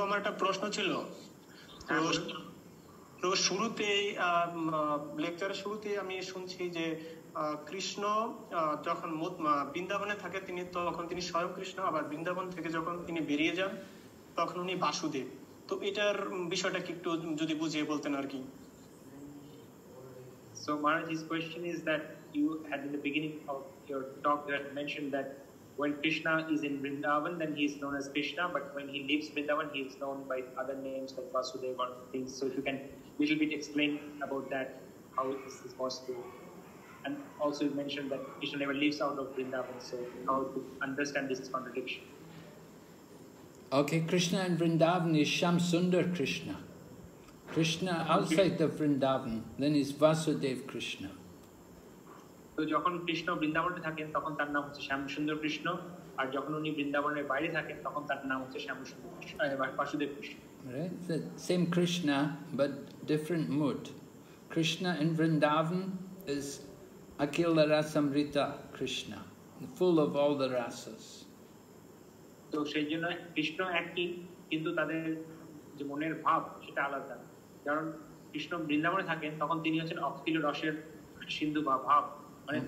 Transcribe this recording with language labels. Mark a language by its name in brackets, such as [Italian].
[Bangla] আমার একটা প্রশ্ন ছিল তো শুরুতে লেকচারের শুরুতে আমি শুনছি যে কৃষ্ণ যখন বৃন্দাবনে থাকে তিনি তখন তিনি স্বয়ং কৃষ্ণ, আবার বৃন্দাবন থেকে যখন তিনি বেরিয়ে যান তখন উনি বাসুদেব. তো এটার বিষয়টা কি একটু যদি বুঝিয়ে বলতেন আর কি. [English] So Maharaj's question is that you had in the beginning of your talk that mentioned that when Krishna is in Vrindavan, then he is known as Krishna, but when he leaves Vrindavan, he is known by other names like Vasudeva or things. So if you can a little bit explain about that, how is this possible? And also you mentioned that Krishna never leaves out of Vrindavan, so how to understand this contradiction? Okay, Krishna in Vrindavan is Shamsundar Krishna. Krishna outside of Vrindavan, then is Vasudev Krishna. [Bangla] তো যখন কৃষ্ণ বৃন্দাবনে থাকেন তখন তার নাম হচ্ছে শ্যামসুন্দর কৃষ্ণ, আর যখন উনি বৃন্দাবনের বাইরে থাকেন তখন তার নাম হচ্ছে Shyamsundar Krishna, Basudeb Krishna. [English] Same Krishna but different mood. Krishna in Vrindavan is Akila Rasamrita Krishna, full of all the rasas. [Bangla] তো সেই জন্য কৃষ্ণ একই কিন্তু তাদের যে মনের ভাব সেটা আলাদা, কারণ কৃষ্ণ বৃন্দাবনে থাকেন তখন তিনি হচ্ছেন অখিল রসের সিন্ধু বা ভাব, মানে